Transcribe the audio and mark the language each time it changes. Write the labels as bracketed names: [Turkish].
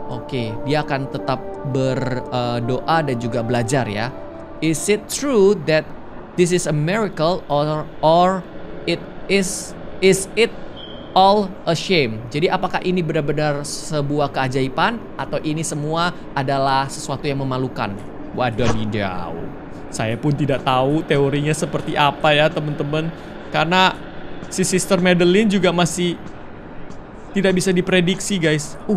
[Indonesian] Oke, dia akan tetap berdoa dan juga belajar ya. [English] Is it true that this is a miracle or is it all a shame? [Indonesian] Jadi apakah ini benar-benar sebuah keajaiban atau ini semua adalah sesuatu yang memalukan? Wadidaw. Saya pun tidak tahu teorinya seperti apa ya, teman-teman. Karena si Sister Madeline juga masih tidak bisa diprediksi, guys.